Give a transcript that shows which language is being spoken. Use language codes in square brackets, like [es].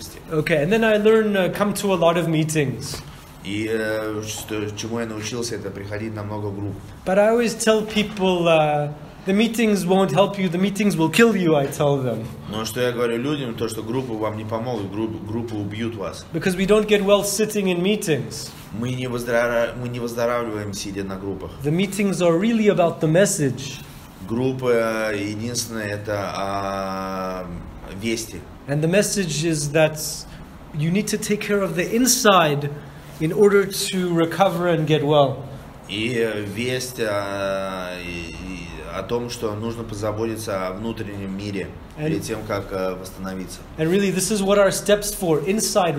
[en] Okay, and then I learn come to a lot of meetings. [ru] И чему я научился, это приходить на много групп. [en] But I always tell people the meetings won't help you, the meetings will kill you, I tell them. [ru] Но что я говорю людям, то что группы вам не помогут, группы убьют вас. [en] Because we don't get well sitting in meetings. [ru] Мы не выздоравливаем, сидя на группах. [en] The meetings are really about the message. [ru] Группа единственное это вести. [en] And the message is that you need to take care of the inside in order to recover and get well. [ru] И весть о том, что нужно позаботиться о внутреннем мире перед тем, как восстановиться. [en] And really, this is what our steps for inside.